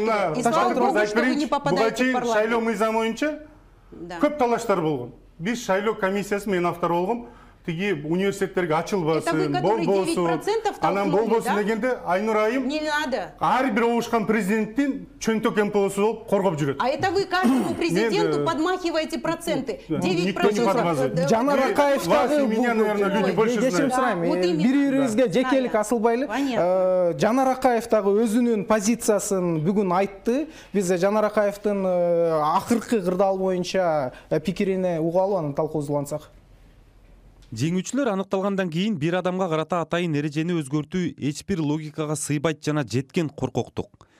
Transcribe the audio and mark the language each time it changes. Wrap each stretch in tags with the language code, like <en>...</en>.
<ky>сайлоо мыйзамы боюнча көп талаштар болгон. Биз шайлоо комиссиясы, мен автор болгом, тиги университеттерге ачылбасын, болбосун, анан болбосун дегенде Айнур айым ар бир оошкан президенттин чөнтөк МПОсу болуп коргоп жүрөт.</ky> <ru>А это вы каждому президенту подмахиваете проценты. 9%.</ru> <ky>Жанар Акаевдагы</ky> <ru>меня, наверное, люди больше знают.</ru> <ky>Кечирим сурайм. Бири-бирибизге жекелик асылбай эле. Жанар Акаевдагы өзүнүн позициясын бүгүн айтты. Биз Жанар Акаевдин акыркы кырдаал боюнча пикирине угалып, анын талкуулансак. Жеңүүчүлөр аныкталгандан кийин бир адамга карата атайын эрежени өзгөртүү эч бир логикага сыйбайт жана жеткен коркоктук.</ky>